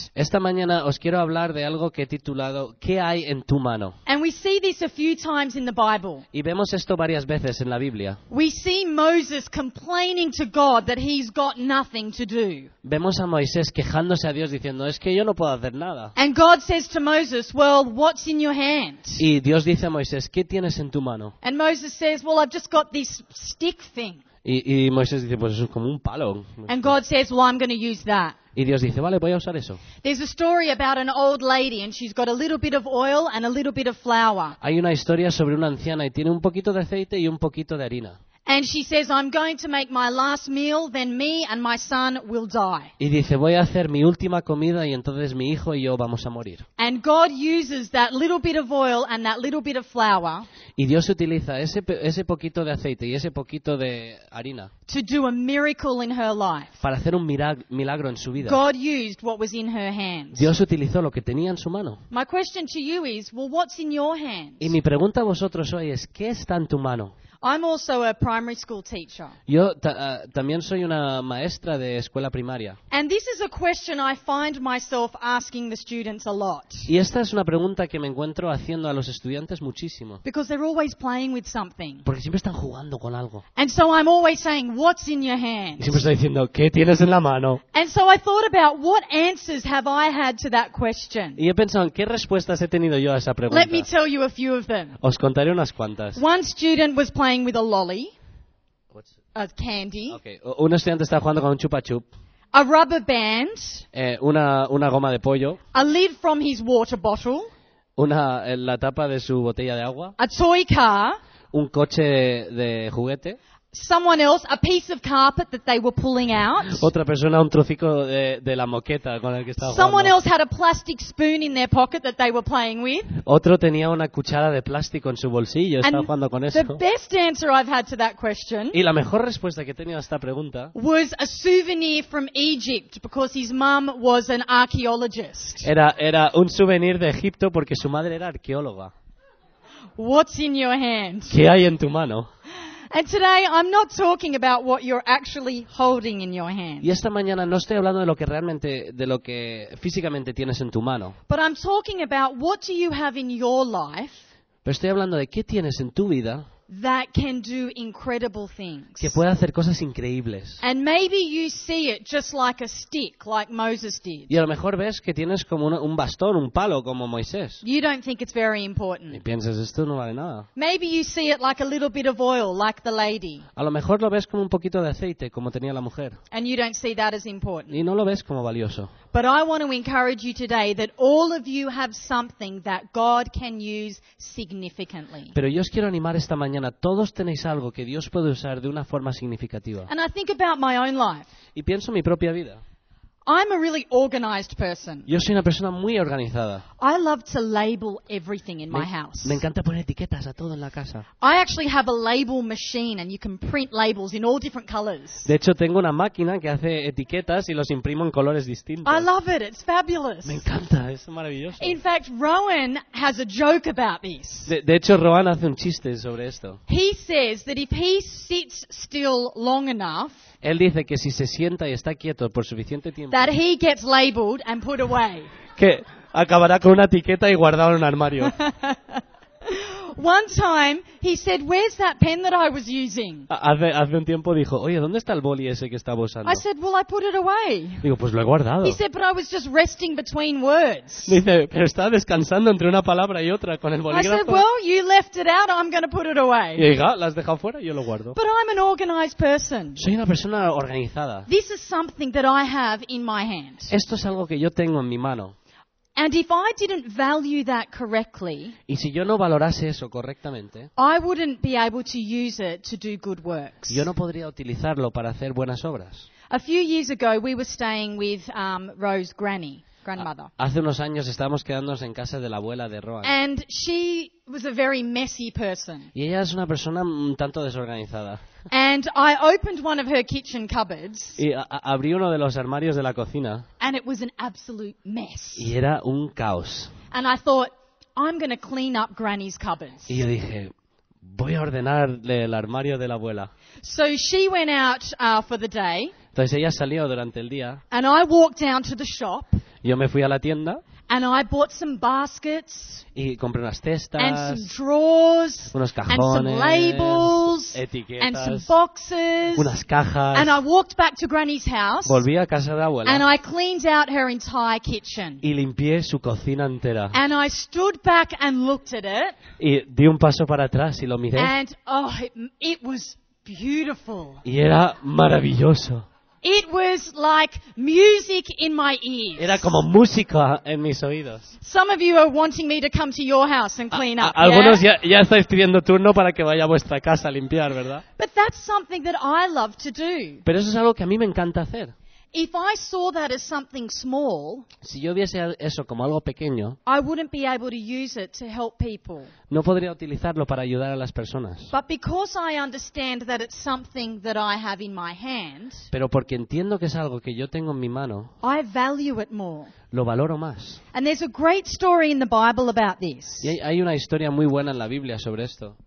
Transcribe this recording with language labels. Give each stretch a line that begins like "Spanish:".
Spanish: Esta mañana os quiero hablar de algo que he titulado ¿Qué hay en tu mano?
English: And we see this a few times in the Bible.
Spanish: Y vemos esto varias veces en la Biblia.
English: We see Moses complaining to God that he's got nothing to do.
Spanish: Vemos a Moisés quejándose a Dios diciendo es que yo no puedo hacer nada.
English: And God says to Moses, "Well, what's in your hand?"
Spanish: Y Dios dice a Moisés, ¿qué tienes en tu mano?
English: And Moses says, "Well, I've just got this stick thing."
Spanish: Y Moisés dice, pues eso es como un palo.
English: And God says, well, I'm going to use that.
Spanish: Y Dios dice, vale, voy a usar eso.
English: There's a story about an old lady and she's got a little bit of oil and a little bit of flour.
Spanish: Hay una historia sobre una anciana y tiene un poquito de aceite y un poquito de harina.
English: And she says, I'm going to make my last meal, then me and my son will die.
Spanish: Y dice, voy a hacer mi última comida y entonces mi hijo y yo vamos a morir.
English: And God uses that little bit of oil and that little bit of flour.
Spanish: Y Dios utiliza ese poquito de aceite y ese poquito de harina.
English: To do a miracle in her life.
Spanish: Para hacer un milagro en su vida.
English: God used what was in her hands.
Spanish: Dios utilizó lo que tenía en su mano.
English: My question to you is, well, what's in your hands?
Spanish: Y mi pregunta a vosotros hoy es, ¿qué está en tu mano?
English: I'm also a primary school teacher.
Spanish: Yo también soy una maestra de escuela primaria.
English: And this is a question I find myself asking the students a lot.
Spanish: Y esta es una pregunta que me encuentro haciendo a los estudiantes muchísimo.
English: Because they're always playing with something.
Spanish: Porque siempre están jugando con algo.
English: And so I'm always saying, "What's in your hand?"
Spanish: Y siempre estoy diciendo, ¿qué tienes en la mano?
English: And so I thought about what answers have I had to that question.
Spanish: Y he pensado en qué respuestas he tenido yo a esa pregunta.
English: Let me tell you a few of them.
Spanish: Os contaré unas cuantas.
English: One student was playing with a lolly, a candy. Okay.
Spanish: Un estudiante está jugando con un chupa chup.
English: A rubber band.
Spanish: Una goma de pollo.
English: A lid from his water bottle.
Spanish: La tapa de su botella de agua.
English: A toy car.
Spanish: Un coche de juguete.
English: Someone else, a piece of carpet that they were pulling out.
Spanish: Otra persona, un trocico de la moqueta con el que estaba jugando.
English: Someone else had a plastic spoon in their pocket that they were playing with.
Spanish: Otro tenía una cuchara de plástico en su bolsillo, estaba jugando con eso.
English: The best answer I've had to that question.
Spanish: Y la mejor respuesta que he tenido a esta pregunta.
English: Was a souvenir from Egypt because his mom was an archaeologist.
Spanish: Era un souvenir de Egipto porque su madre era arqueóloga.
English: What's in your hand?
Spanish: ¿Qué hay en tu mano?
English: And today I'm not talking about what you're actually holding in your hand.
Spanish: Y esta mañana no estoy hablando de lo que físicamente tienes en tu mano.
English: But I'm talking about what do you have in your life?
Spanish: Pero estoy hablando de qué tienes en tu vida.
English: that can do incredible things.
Spanish: Que puede hacer cosas increíbles.
English: And maybe you see it just like a stick, like Moses did.
Spanish: Y a lo mejor ves que tienes como un bastón, un palo, como Moisés.
English: You don't think it's very important.
Spanish: Y piensas, esto no vale nada.
English: Maybe you see it like a little bit of oil, like the lady.
Spanish: A lo mejor lo ves como un poquito de aceite, como tenía la mujer.
English: And you don't see that as important.
Spanish: Y no lo ves como valioso.
English: But I want to encourage you today that all of you have something that God can use significantly.
Spanish: Pero yo os quiero animar esta mañana. Todos tenéis algo que Dios puede usar de una forma significativa.
English: And I think about my own life.
Spanish: Y pienso en mi propia vida.
English: I'm a really organized person.
Spanish: Yo soy una persona muy organizada.
English: I love to label everything in my house.
Spanish: Me encanta poner etiquetas a todo en la casa.
English: I actually have a label machine and you can print labels in all different colors.
Spanish: De hecho, tengo una máquina que hace etiquetas y los imprimo en colores distintos.
English: I love it. It's fabulous.
Spanish: Me encanta, es maravilloso.
English: In fact, Rowan has a joke about this.
Spanish: De hecho, Rowan hace un chiste sobre esto.
English: He says that if he sits still long enough,
Spanish: él dice que si se sienta y está quieto por suficiente tiempo,
English: that he gets labeled and put away.
Spanish: Que acabará con una etiqueta y guardado en un armario.
English: One time he said, "Where's that pen that I was using?"
Spanish: Hace un tiempo dijo, "Oye, ¿dónde está el boli ese que estaba usando?"
English: I said, "Well, I put it away."
Spanish: Digo, "Pues lo he guardado."
English: He said, "But I was just resting between words."
Spanish: Dice, "Pero estaba descansando entre una palabra y otra con el bolígrafo."
English: I said, "Well, you left it out, I'm going to put it away."
Spanish: Y diga, "Lo has dejado fuera, yo lo guardo."
English: But I'm an organized person.
Spanish: Soy una persona organizada.
English: This is something that I have in my hand.
Spanish: Esto es algo que yo tengo en mi mano.
English: And if I didn't value that correctly,
Spanish: y si yo no valorase eso correctamente,
English: I wouldn't be able to use it to do good works.
Spanish: Yo no podría utilizarlo para hacer buenas obras.
English: A few years ago, we were staying with Rose's granny, grandmother.
Spanish: Hace unos años estábamos quedándonos en casa de la abuela de Rowan.
English: And she was a very messy person.
Spanish: Y ella es una persona un tanto desorganizada.
English: And I opened one of her kitchen cupboards.
Spanish: Y abrí uno de los armarios de la cocina.
English: And it was an absolute mess.
Spanish: Y era un caos.
English: And I thought, I'm going to clean up Granny's cupboards.
Spanish: Y yo dije, voy a ordenarle el armario de la abuela.
English: So she went out for the day.
Spanish: Entonces ella salió durante el día.
English: And I walked down to the shop.
Spanish: Yo me fui a la tienda.
English: And I bought some baskets.
Spanish: Y compré unas cestas.
English: And some drawers.
Spanish: Unos cajones.
English: And some labels.
Spanish: Etiquetas.
English: And some boxes.
Spanish: Unas cajas.
English: And I walked back to Granny's house.
Spanish: Volví a casa de abuela.
English: And I cleaned out her entire kitchen.
Spanish: Y limpié su cocina entera.
English: And I stood back and looked at it.
Spanish: Y di un paso para atrás y lo miré.
English: And oh, it was beautiful.
Spanish: Y era maravilloso.
English: It was like music in my ears.
Spanish: Era como música en mis oídos.
English: Some of you are wanting me to come to your house and clean up.
Spanish: Algunos ya estáis pidiendo turno para que vaya a vuestra casa a limpiar, ¿verdad?
English: But that's something that I love to do.
Spanish: Pero eso es algo que a mí me encanta hacer.
English: If I saw that as something small,
Spanish: si yo viese eso como algo pequeño,
English: I wouldn't be able to use it to help people.
Spanish: No podría utilizarlo para ayudar a las personas.
English: But because I understand that it's something that I have in my hand,
Spanish: pero porque entiendo que es algo que yo tengo en mi mano,
English: I value it more.
Spanish: Lo valoro más.
English: And there's a great story in the Bible about this.
Spanish: Y hay una historia muy buena en la Biblia sobre esto.